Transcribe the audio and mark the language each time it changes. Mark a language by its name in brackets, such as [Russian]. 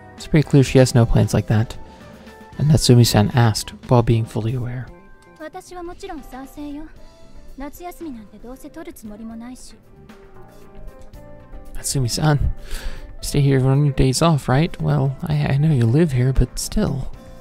[English] It's pretty clear she has no plans like that. And Natsumi-san asked while being fully aware. [Japanese] 私はもちろん賛成よ。夏休みなんてどうせ取るつもりもないし。 [English] Natsumi-san, you stay here on your days off, right? Well, I know you live here, but still.